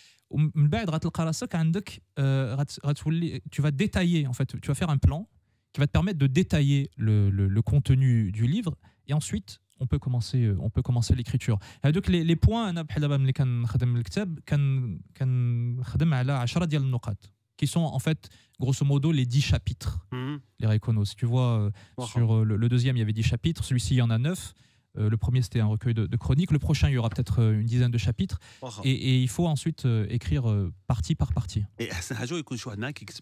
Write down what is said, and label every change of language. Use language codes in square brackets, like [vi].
[ar] ومن بعد غتلقى راسك عندك غتولي [fr] tu vas détailler en fait, tu vas faire un plan qui va te permettre de détailler le contenu du livre et ensuite on peut commencer l'écriture. [ar] هذوك لي بوين انا بحال دابا ملي كنخدم الكتاب كنخدم على 10 ديال النقاط [fr] qui sont en fait grosso modo les 10 chapitres, les Reconos. Tu vois, sur le deuxième, il y avait 10 chapitres. Celui-ci, il y en a 9. Le premier, c'était un recueil de chroniques. Le prochain, il y aura peut-être une dizaine de chapitres. Et il faut ensuite écrire partie par partie. Et c'est un jour, il y a un choix qui est